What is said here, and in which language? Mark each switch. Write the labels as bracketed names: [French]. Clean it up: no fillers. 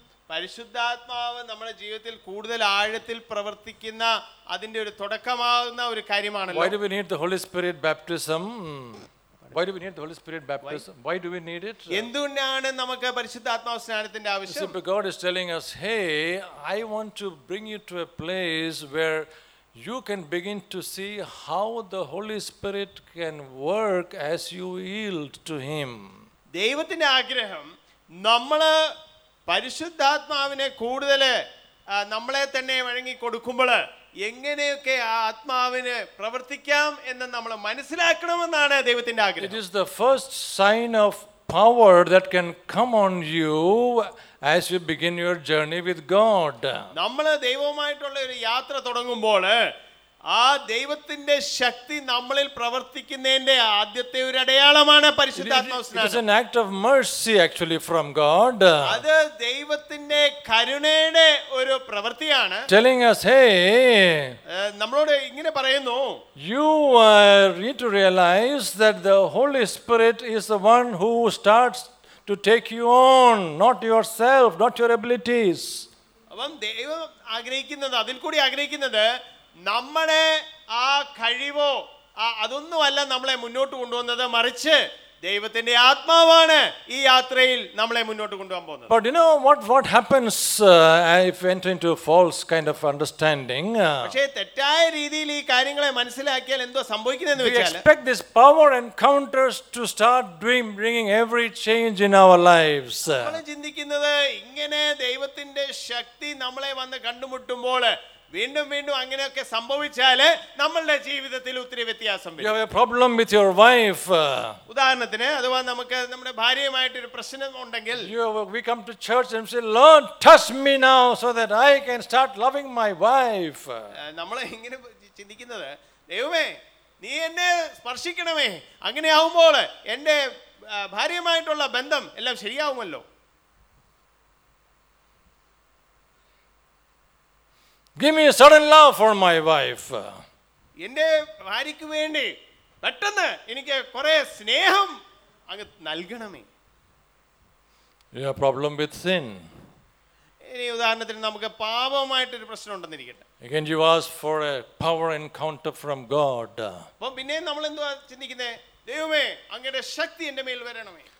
[Malayalam] പരിശുദ്ധാത്മാവ് നമ്മുടെ ജീവിതത്തിൽ കൂടുതൽ ആഴത്തിൽ പ്രവർത്തിക്കുന്ന അതിന്റെ ഒരു തുടക്കമാകുന്ന ഒരു കാര്യമാണല്ലോ. [English] Why do we need the Holy Spirit baptism? Why do we need the Holy Spirit baptism? Why do we need it? [Malayalam] എന്തുകൊണ്ടാണ് നമുക്ക് പരിശുദ്ധാത്മാവ് സ്നാനത്തിന്റെ ആവശ്യം? [English] God is telling us, hey, I want to bring you to a place where you can begin to see how the Holy Spirit can work as you yield to him. [Malayalam] ദൈവത്തിന്റെ ആഗ്രഹം നമ്മളെ പരിശുദ്ധാത്മാവിനെ കൂടുതൽ നമ്മളെ തന്നെ വഴങ്ങി കൊടുക്കുമ്പോൾ എങ്ങനെയൊക്കെ ആ ആത്മാവിനെ പ്രവർത്തിക്കാം എന്ന് നമ്മൾ മനസ്സിലാക്കണമെന്നാണ് ദൈവത്തിന്റെ ആഗ്രഹം. [English] It is the first sign of power that can come on you as you begin your journey with God. [Malayalam] നമ്മൾ ദൈവവുമായിട്ടുള്ള ഒരു യാത്ര തുടങ്ങുമ്പോൾ ആ ദൈവത്തിന്റെ ശക്തി നമ്മളിൽ പ്രവർത്തിക്കുന്നതിന്റെ ആദ്യത്തെ ഒരു അടയാളമാണ് പരിശുദ്ധാത്മാവ്. [English] It is an act of mercy actually from God. [Malayalam] അത് ദൈവത്തിന്റെ കരുണയുടെ ഒരു പ്രവൃത്തിയാണ്. [English] Telling us, hey, [Malayalam] നമ്മളോട് ഇങ്ങനെ പറയുന്നു, [English] you need to realize that the Holy Spirit is the one who starts to take you on, not yourself, not your abilities. [Malayalam] അവൻ ദൈവം ആഗ്രഹിക്കുന്നത്, അതിൽ കൂടി ആഗ്രഹിക്കുന്നത് നമ്മളെ ആ കഴിവോ അതൊന്നുമല്ല നമ്മളെ മുന്നോട്ട് കൊണ്ടുവന്നത്, മറിച്ച് ദൈവത്തിന്റെ ആത്മാവാണ് ഈ യാത്രയിൽ നമ്മളെ മുന്നോട്ട് കൊണ്ടുപോകാൻ പോകുന്നത്. [English] But you know what happens if we enter into a false kind of understanding. [Malayalam] പക്ഷേ തെറ്റായ രീതിയിൽ ഈ കാര്യങ്ങളെ മനസ്സിലാക്കിയാൽ എന്തോ സംഭവിക്കുന്നതെന്ന് വെച്ചാൽ, [English] we expect this power encounters to start doing bringing every change in our lives. [Malayalam] നമ്മൾ ചിന്തിക്കുന്നത് ഇങ്ങനെ ദൈവത്തിന്റെ ശക്തി നമ്മളെ വന്ന് കണ്ടുമുട്ടുമ്പോൾ വീണ്ടും വീണ്ടും അങ്ങനെയൊക്കെ സംഭവിച്ചാൽ നമ്മളുടെ ജീവിതത്തിൽ ഒത്തിരി വ്യത്യാസം വരും. [English] You have a problem with your wife. [Malayalam] ഉദാഹരണത്തിന് അഥവാ നമുക്ക് നമ്മുടെ ഭാര്യയുമായിട്ട് ഒരു പ്രശ്നം ഉണ്ടെങ്കിൽ, [English] we come to church and say, Lord, touch me now so that I can start loving my wife. [Malayalam] നമ്മൾ ഇങ്ങനെ ചിന്തിക്കുന്നത് ദൈവമേ നീ എന്നെ സ്പർശിക്കണമേ, അങ്ങനെ ആവുമ്പോൾ എന്റെ ഭാര്യയുമായിട്ടുള്ള ബന്ധം എല്ലാം ശരിയാവുമല്ലോ. [English] Give me a sudden love for my wife. [Malayalam] എന്റെ ഭാര്യയ്ക്ക് വേണ്ടി പെട്ടെന്ന് എനിക്ക് കുറേ സ്നേഹം അങ്ങ് നൽകണമേ. [English] You have a problem with sin. [Malayalam] ഇനി ഉദാഹരണത്തിന് നമുക്ക് പാപവുമായിട്ട് ഒരു പ്രശ്നം ഉണ്ടെന്നിരിക്കട്ടെ. [English] Again you ask for a power encounter from God. [Malayalam] അപ്പോൾ പിന്നെ നമ്മൾ എന്തുവാ ചിന്തിക്കുന്നത്, ദൈവമേ അങ്ങയുടെ ശക്തി എന്റെ മേൽ വരണമേ.